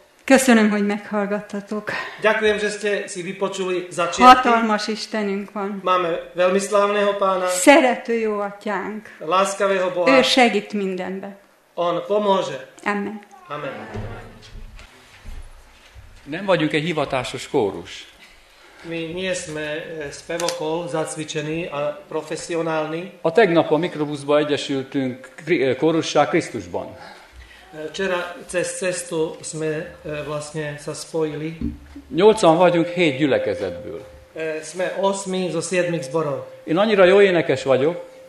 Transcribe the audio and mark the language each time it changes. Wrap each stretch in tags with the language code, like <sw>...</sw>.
<hu>Köszönöm, hogy meghallgattatok.</hu> <sk>Ďakujem, že ste si vypočuli začiatky.</sk> <hu>Hatalmas Istenünk van.</hu> <sk>Máme veľmi slávneho pána.</sk> <hu>Szerető jó atyánk.</hu> <sk>Láskavého Boha.</sk> <hu>Ő segít mindenbe.</hu> <sk>On pomôže. Amen. Amen.</sk> <hu>Nem vagyunk egy hivatásos kórus.</hu> <sk>Mi nie sme spevokol zacvičený a profesionálny.</sk> <hu>A tegnap a mikrobuszba egyesültünk kórussá Krisztusban.</hu> <sk>Včera cez cestu sme vlastne sa spojili.</sk> <hu>80 vagyunk 7 gyülekezetből.</hu> <sk>Sme 8 zo 7 zborov.</sk> <hu>Én annyira jó énekes vagyok.</hu>